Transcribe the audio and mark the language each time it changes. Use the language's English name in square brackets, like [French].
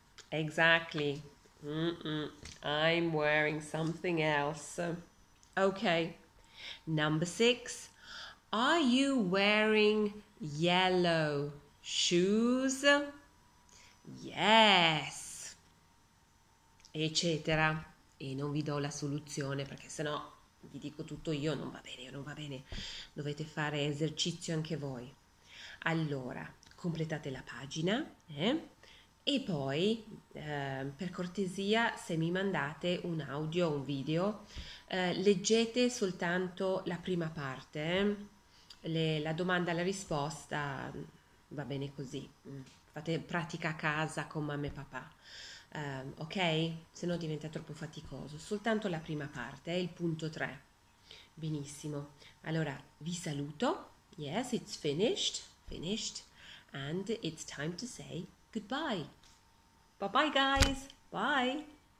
[English] Exactly. I'm wearing something else. Okay. Number six. Are you wearing yellow shoes? Yes. Eccetera. [Italian] E non vi do la soluzione perché sennò vi dico tutto io, non va bene, non va bene. Dovete fare esercizio anche voi. Allora, completate la pagina, e poi per cortesia, se mi mandate un audio o un video, leggete soltanto la prima parte, la domanda e la risposta, va bene così, fate pratica a casa con mamma e papà, ok? Se no diventa troppo faticoso, soltanto la prima parte, il punto 3. Benissimo, allora vi saluto. [English] Yes, it's finished, and it's time to say goodbye. Bye-bye, guys. Bye.